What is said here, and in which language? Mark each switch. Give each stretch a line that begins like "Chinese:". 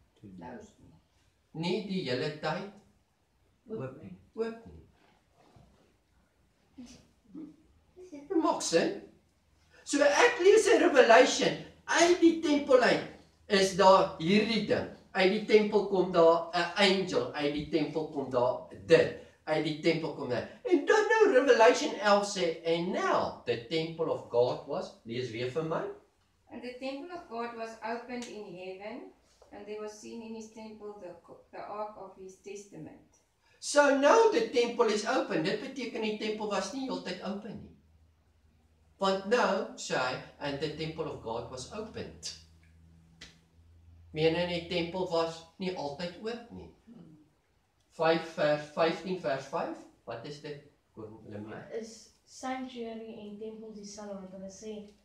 Afrikaans: toegelaat nie. Nie die hele tyd oop nie. Oop nie. Dit maak sin. So ek lees in Revelation, uit die tempel uit is daar hierdie ding. Uit die tempel kom daar 'n angel, uit die tempel kom daar dit, uit die tempel kom daar. En dan nou Revelation 11 sê,
English: and now the temple of God was,
Afrikaans: lees weer vir my.
English: And the temple of God was opened in heaven, and they were seen in his temple the ark of his testament. So now the temple is open.
Afrikaans: Dit beteken die tempel was nie altyd open nie.
English: But now,
Afrikaans: sê hy,
English: and the temple of God was opened.
Afrikaans: Meen in die tempel was nie altyd oop nie. 5 vers 15 vers 5, wat is dit? Is sanctuary en tempel dieselfde? Want hulle sê